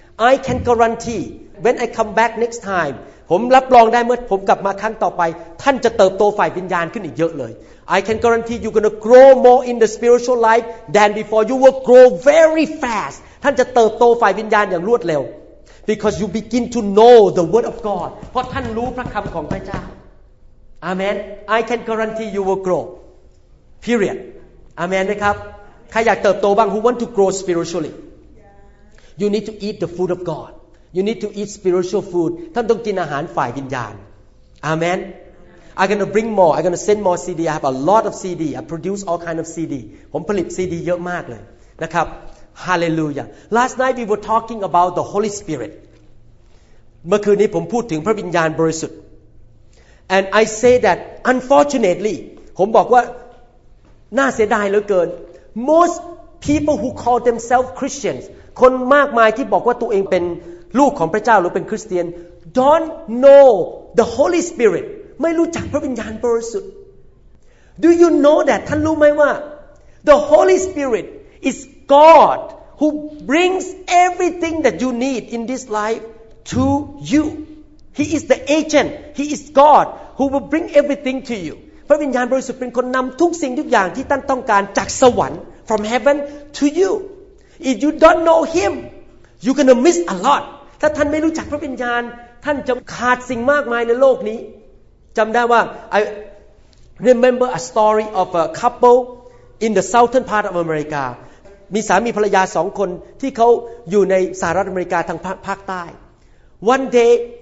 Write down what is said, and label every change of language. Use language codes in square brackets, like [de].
[en] I can guarantee when I come back next time [th] ผมรับรองได้เมื่อผมกลับมาครั้งต่อไปท่านจะเติบโตฝ่ายวิญญาณขึ้นอีกเยอะเลย [en] I can guarantee you're going to grow more in the spiritual life than before you will grow very fast [th] ท่านจะเติบโตฝ่ายวิญญาณอย่างรวดเร็ว [en] because you begin to know the word of God [th] เพราะท่านรู้พระคำของพระเจ้า [en] Amen I can guarantee you will grow period Amen [th] นะครับใครอยากเติบโตบ้าง [en] Who want to grow spiritually? Yeah. You need to eat the food of God. You need to eat spiritual food. [th] ท่านต้องกินอาหารฝ่ายวิญญาณ Amen. [en] I'm going to bring more. I'm going to send more CD. I have a lot of CD. I produce all kind of CD. [th] ผมผลิต CD เยอะมากเลยนะครับ Hallelujah. [en] Last night we were talking about the Holy Spirit. [th] เมื่อคืนนี้ผมพูดถึงพระวิญญาณบริสุทธิ์ [en] And I say that unfortunately [th] ผมบอกว่า น่าเสียดายเหลือเกิน [en] Most people who call themselves Christians, [th] คนมากมายที่บอกว่าตัวเองเป็นลูกของพระเจ้าหรือเป็นคริสเตียน [en] don't know the Holy Spirit, [th] ไม่รู้จักพระวิญญาณบริสุทธิ์ [en] Do you know that? [th] ท่านรู้ไหมว่า [en] the Holy Spirit is God who brings everything that you need in this life to you. He is the agent. He is God who will bring everything to you. [th] พระวิญญาณบริสุทธิ์เป็นคนนำทุกสิ่งทุกอย่างที่ท่านต้องการจากสวรรค์ [en] from heaven to you if you don't know him you're gonna miss a lot [th] ถ้าท่านไม่รู้จักพระวิญญาณท่านจะขาดสิ่งมากมายในโลกนี้จำได้ว่า [en] I remember a story of a couple in the southern part of America [th] มีสามีภรรยาสองคนที่เขาอยู่ในสหรัฐอเมริกาทางภาคใต้ [en] one day